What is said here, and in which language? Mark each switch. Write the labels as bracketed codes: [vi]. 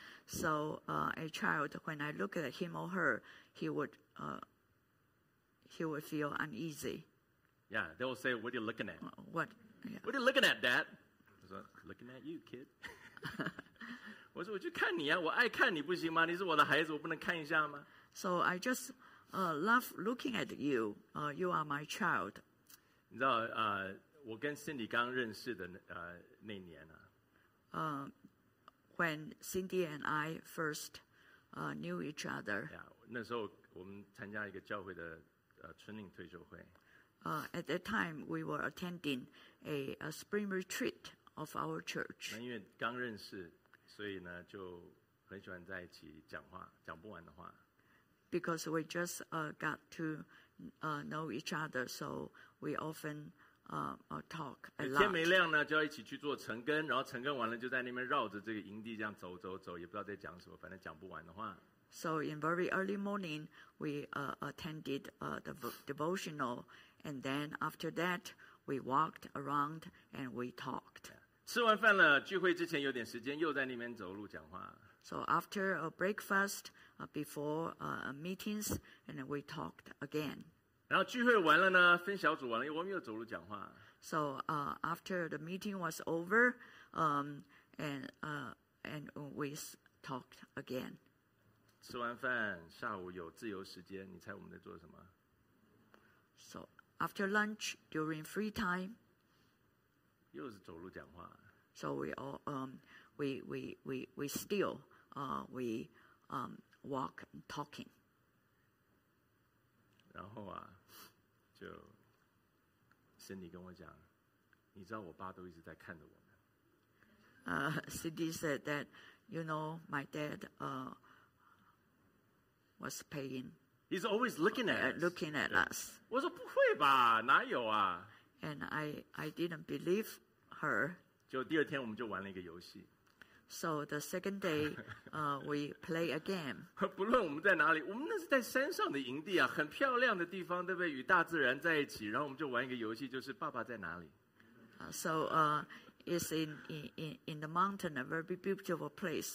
[en] So a child, when I look at him or her, he would feel uneasy. Yeah, they will say, "What are you looking at? What? Yeah. What are you looking at, Dad?" I said, "Looking at you, kid." [zh] 我说我去看你啊，我爱看你不行吗？你是我的孩子，我不能看一下吗 [en] ？So I just love looking at you. You are my child. [zh] 你知道我跟 Cindy 刚认识的那年啊。 [en] When Cindy and I first knew each other. [zh] Yeah, 那时候我们参加一个教会的春令退休会。 [en] At that time we were attending a spring retreat of our church. [zh] 那因为刚认识。所以呢，就很喜欢在一起讲话，讲不完的话。 [en] Because we just got to know each other, so we often talk a lot. [zh] 天没亮呢，就要一起去做晨更，然后晨更完了，就在那边绕着这个营地这样走走走，也不知道在讲什么，反正讲不完的话。 [en] So in very early morning, we attended the devotional, and then after that, we walked around and we talked. Yeah. [zh] 吃完饭了，聚会之前有点时间，又在那边走路讲话。 [en] So after a breakfast, before meetings, and we talked again. [zh] 然后聚会完了呢，分小组完了，我们又走路讲话。 [en] So after the meeting was over, and we talked again. [zh] 吃完饭，下午有自由时间，你猜我们在做什么 [en] ？So after lunch, during free time. [zh] 又是走路讲话。 [en] So we all we walk and talking. [zh] 然后啊，就 Cindy 跟我讲，你知道我爸都一直在看着我们。 [en] Cindy said that, you know, my dad was paying. He's always looking at us. Looking at us. [zh] 我说不会吧，哪有啊？ [en] And I didn't believe her. [zh] 就第二天我们就玩了一个游戏。 [en] So the second day, we play a game. [zh] 不论我们在哪里，我们那是在山上的营地啊，很漂亮的地方，对不对？与大自然在一起，然后我们就玩一个游戏，就是爸爸在哪里。 [en] So it's in the mountain, a very beautiful place.